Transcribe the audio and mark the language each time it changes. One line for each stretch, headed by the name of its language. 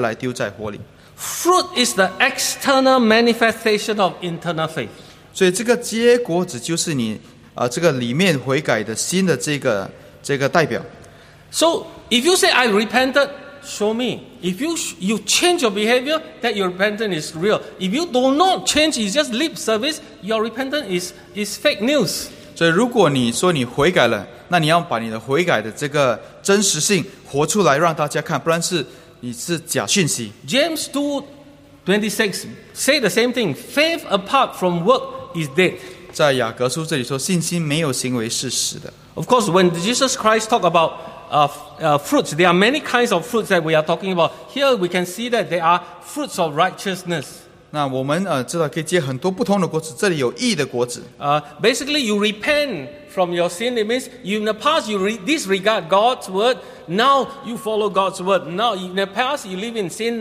Chinese: 不要自己心里说有亚伯拉罕为我们的祖宗，我告诉你们，神能从这些石头中给亚伯拉罕兴起子孙来。现在福子已经放在树根上，凡不结果子的树就砍下来丢在火里。
English: Fruit is the external manifestation of internal faith.
Chinese: 所以这个结果子就是你这个里面悔改的心的这个代表。So
English: if you say I repented, show me. If you change your behavior, that your repentance is real. If you do not change, it's just lip service, your repentance is fake news.
Chinese: 所以如果你说你悔改了，那你要把你的悔改的这个真实性活出来让大家看，不然是你是假讯息。
English: James 2:26 say the same thing. Faith apart from work is dead.
Chinese: 在雅各书这里说，信心没有行为是死的。
English: Of course, when Jesus Christ talked about fruits, there are many kinds of fruits that we are talking about. Here we can see that there are fruits of righteousness.
Chinese: 那我们知道可以结很多不同的果子，这里有义的果子。
English: Basically, you repent from your sin. It means you, in the past you disregard God's word. Now you follow God's word. Now in the past you live in sin.